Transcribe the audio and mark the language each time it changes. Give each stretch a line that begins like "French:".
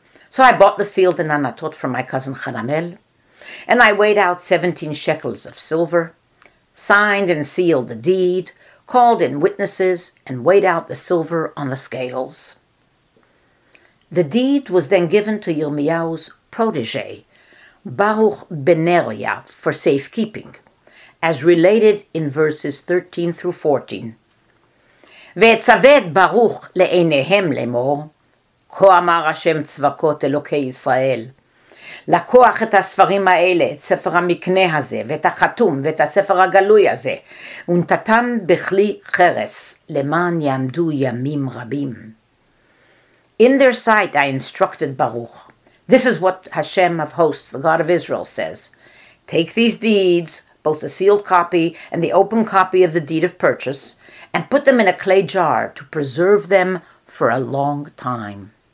English: So I bought the field in Anatot from my cousin Hanamel, and I weighed out 17 shekels of silver, signed and sealed the deed, called in witnesses, and weighed out the silver on the scales. The deed was then given to Yirmiyahu's protege, Baruch Beneria, for safekeeping, as related in verses 13 through 14.
Hebrew: Ve'etzaved Baruch le'enehem le'mor, כה אמר השם צבקות אלוקי ישראל, לקוח את הספרים האלה, את ספר המקנה הזה, ואת החתום, ואת הספר הגלוי הזה, ונתתם בכלי חרס, למען יעמדו ימים רבים.
English: In their sight I instructed Baruch, this is what Hashem of hosts, the God of Israel, says. Take these deeds, both the sealed copy and the open copy of the deed of purchase, and put them in a clay jar to preserve them for a long time.